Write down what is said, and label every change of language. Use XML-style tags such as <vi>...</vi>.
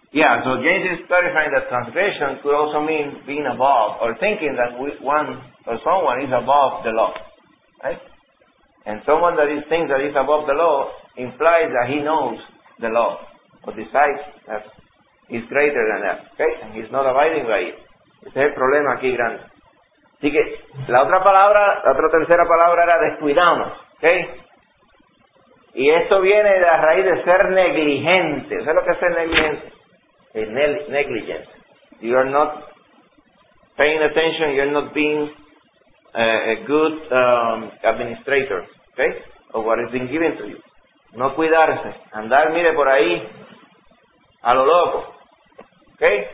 <en>Yeah, so James is clarifying that transgression could also mean being above or thinking that one or someone is above the law. Right? And someone that is thinks that is above the law implies that he knows the law or decides that he's greater than that. Okay? And he's not abiding by it.</en> <es>Ese es el problema aquí grande. Así que, la otra palabra, la otra tercera palabra era descuidarnos, ¿ok? Y esto viene de la raíz de ser negligente. ¿Sabes lo que es ser negligente? Es negligence.</es> <en>You are not paying attention, you are not being a good administrator, ¿ok? Of what has been given to you.</en> <es>No cuidarse, andar, mire, por ahí, a lo loco, ¿ok?</es>